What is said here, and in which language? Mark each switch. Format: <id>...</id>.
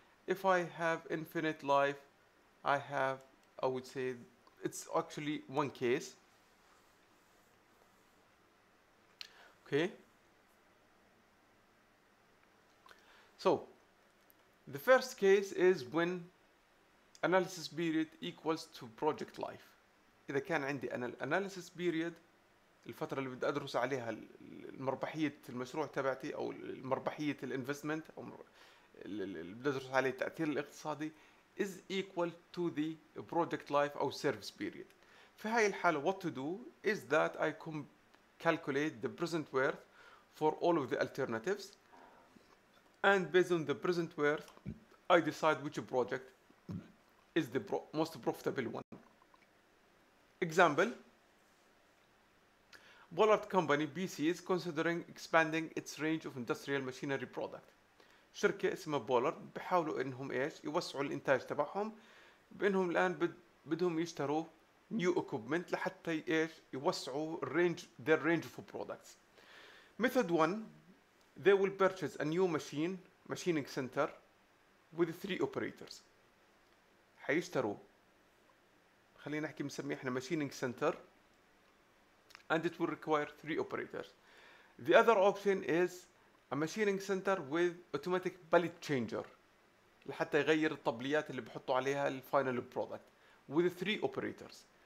<en>If I have infinite life, I would say it's actually one case. Okay, so the first case is when analysis period equals to project life.</en> <ar>إذا كان عندي أنا analysis period الفترة اللي بدي أدرس عليها المربحية المشروع تبعتي أو المربحية الانفستمنت أو اللي بدي أدرس عليه التأثير الاقتصادي</ar> <en>is equal to the project life</en> <ar>أو service period. في هاي الحالة</ar> <en>what to do is that I calculate the present worth for all of the alternatives, and based on the present worth, I decide which project is the most profitable one. Example: Bollard Company BC is considering expanding its range of industrial machinery product.</en> <ar>شركة اسمها Bollard بحاولوا إنهم يوسعوا الإنتاج تبعهم بإنهم الآن بدهم يشتروا new equipment لحتى يوسعوا</ar> <en>their range of products. Method 1, they will purchase a new machining center with 3 operators.</en> <ar>حيشتروا خلينا نحكي بنسمي احنا</ar> <en>machining center and it will require 3 operators. The other option is a machining center with automatic pallet changer</en> <ar>لحتى يغير الطبليات اللي بحطوا عليها الفاينل برودكت</ar> <en>with 3 operators.</en>